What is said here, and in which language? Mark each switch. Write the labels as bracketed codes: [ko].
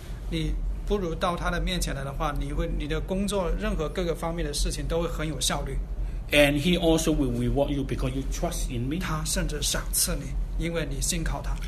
[zh] 你不如到他的面前来的话，你的工作任何各个方面的事情都会很有效率。 [en] And he also will reward you because you trust in me. [zh] 他甚至赏赐你，因为你信靠他。